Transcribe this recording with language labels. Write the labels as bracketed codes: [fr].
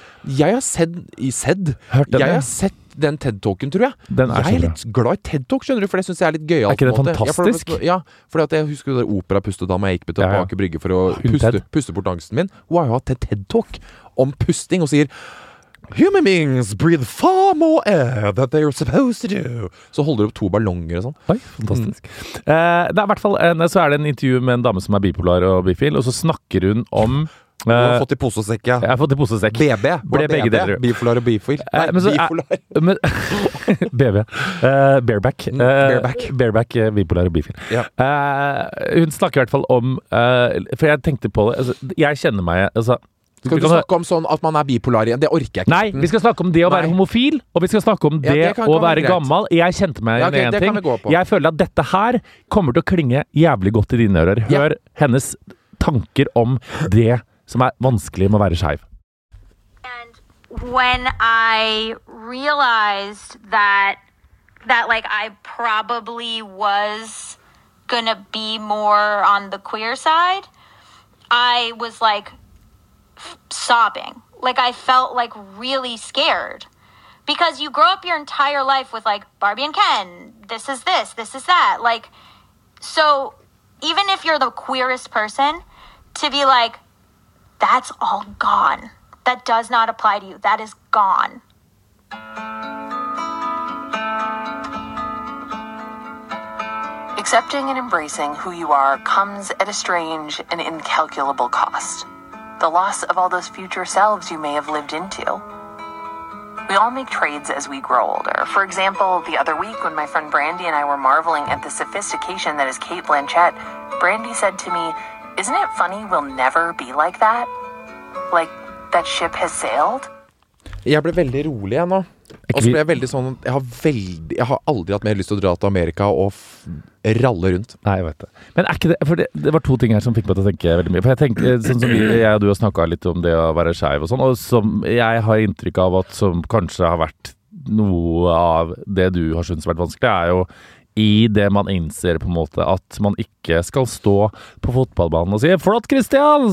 [no] Jeg har sett Hørt den, jeg har sett den TED-talken, tror jeg. Den er jeg er litt glad i TED-talk, skjønner du? For det synes jeg er litt gøy. Er ikke det fantastisk? Ja, for jeg husker det der opera-pustedama jeg gikk med til å bake brygge for å puste bort angsten min. Hun har jo hatt et TED-talk om pusting og sier... [en] Human beings breathe far more air than they are supposed to do. [no] Så holder du opp to ballonger og sånn. Oi, fantastisk. Det er i hvert fall så er det en intervju med en dame som er bipolar og bifil, og så snakker hun om... Du har fått i posesekk, ja. Jeg har fått i posesekk. BB. Ble BB? Begge deler. Bifolar og bifil. Nei, bifolar. BB. Bareback. Bareback. Bareback, bifolar og bifil. Ja. Hun snakker i hvert fall om... for jeg tenkte på det. Altså, jeg kjenner meg... Altså, skal du snakke om sånn at man er bipolar igjen? Det orker jeg ikke. Nei, vi skal snakke om det å være homofil, og vi skal snakke om det, ja, det å være gammel. Jeg kjente meg igjen en ting. Jeg føler at dette her kommer til å klinge jævlig godt i dine ører. Hør hennes tanker om det som er vanskelig med å være skjev. [en] And when I realized that like I probably was gonna be more on the queer side, I was like sobbing. Like I felt like really scared. Because you grow up your entire life with like Barbie and Ken, this is that. Like, so even if you're the queerest person, to be like, that's all gone. That does not apply to you. That is gone. Accepting and embracing who you are comes at a strange and incalculable cost. The loss of all those future selves you may have lived into. We all make trades as we grow older. For example, the other week when my friend Brandy and I were marveling at the sophistication that is Cate Blanchett, Brandy said to me, isn't it funny we'll never be like that? Like, that ship has sailed? [no] Jeg ble veldig rolig igjen nå. Og så ble jeg veldig sånn, jeg har aldri hatt mer lyst til å dra til Amerika og ralle rundt. Nei, jeg vet det. Men er ikke det, for det var to ting her som fikk meg til å tenke veldig mye. For jeg tenker, sånn som jeg og du har snakket litt om det å være skjev og sånn, og som jeg har inntrykk av at som kanskje har vært noe av det du har syntes har vært vanskelig, er jo i det man innser på en måte at man ikke skal stå på fotballbanen og si «Flott, Kristian!»